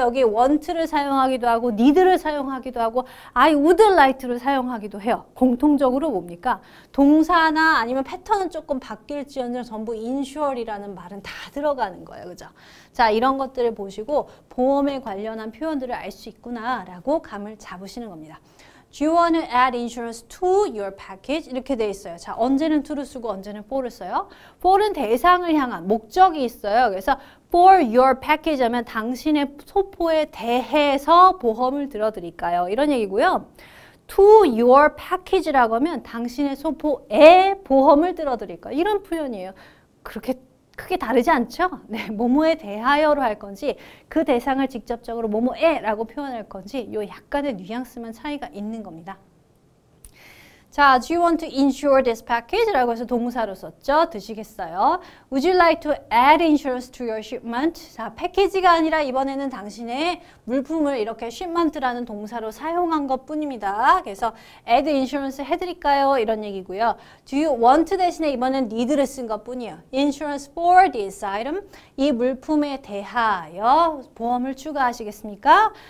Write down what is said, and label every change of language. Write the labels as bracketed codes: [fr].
[ko] 여기 want를 사용하기도 하고 need를 사용하기도 하고 I would like 를 사용하기도 해요. 공통적으로 뭡니까? 동사나 아니면 패턴은 조금 바뀔지언정 전부 insure이라는 말은 다 들어가는 거예요. 그죠? 자, 이런 것들을 보시고 보험에 관련한 표현들을 알 수 있구나라고 감을 잡으시는 겁니다. [en] Do you want to add insurance to your package? [ko] 이렇게 돼 있어요. 자, 언제는 to를 쓰고 언제는 for를 써요? for는 대상을 향한 목적이 있어요. 그래서 for your package 하면 당신의 소포에 대해서 보험을 들어드릴까요? 이런 얘기고요. to your package라고 하면 당신의 소포에 보험을 들어드릴까요? 이런 표현이에요. 그렇게 크게 다르지 않죠? 네, 뭐뭐에 대하여로 할 건지 그 대상을 직접적으로 뭐뭐에라고 표현할 건지 요 약간의 뉘앙스만 차이가 있는 겁니다. [en] 자, do you want to insure this package? [ko] 라고 해서 동사로 썼죠? 드시겠어요? [en] Would you like to add insurance to your shipment? [ko] 자, 패키지가 아니라 이번에는 당신의 물품을 이렇게 shipment라는 동사로 사용한 것 뿐입니다. 그래서 add insurance 해드릴까요? 이런 얘기고요. Do you want 대신에 이번엔 need를 쓴 것 뿐이에요. [en] Insurance for this item. [ko] 이 물품에 대하여 보험을 추가하시겠습니까?